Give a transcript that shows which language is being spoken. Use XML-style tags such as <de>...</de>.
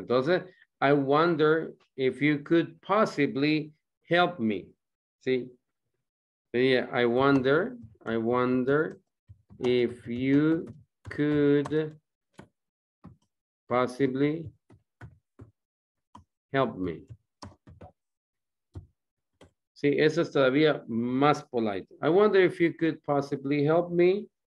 <es>Entonces,</es> <en>I wonder if you could possibly help me. ¿Sí? Yeah, I wonder if you could possibly help me.</en> <es>Sí, eso es todavía más polite.</es> <en>I wonder if you could possibly help me.</en>